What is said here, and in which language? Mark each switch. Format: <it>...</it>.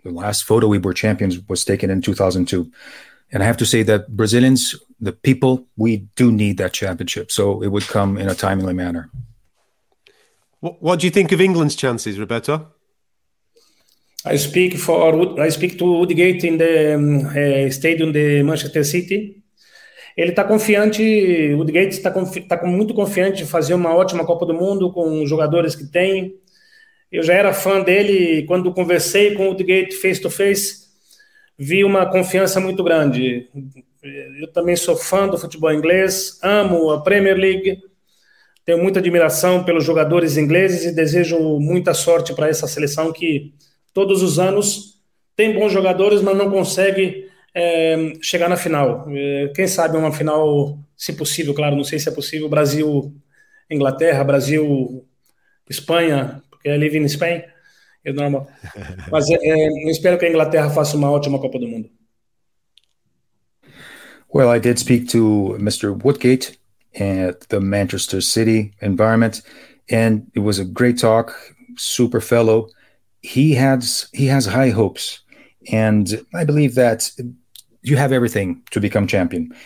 <en>The last photo we were champions was taken in 2002. And I have to say that Brazilians, the people, we do need that championship. So it would come in a timely manner. What do you think of England's chances, Roberto? I speak to Woodgate in the stadium de Manchester City.</en> <pt>Ele está confiante, o Woodgate está muito confiante de fazer uma ótima Copa do Mundo com os jogadores que tem. Eu já era fã dele e quando conversei com o Woodgate face to face, vi uma confiança muito grande. Eu também sou fã do futebol inglês, amo a Premier League, Tenho muita admiração pelos jogadores ingleses e desejo muita sorte para essa seleção que todos os anos tem bons jogadores, mas não consegue chegar na final. Quem sabe uma final, se possível, claro, não sei se é possível, Brasil-Inglaterra, Brasil-Espanha, porque é live in Spain, eu não, mas eu espero que a Inglaterra faça uma ótima Copa do Mundo.</pt> <en>Well, I did speak to Mr. Woodgate at the Manchester City environment, and it was a great talk, super fellow. He has high hopes, and I believe that you have everything to become champion.</en>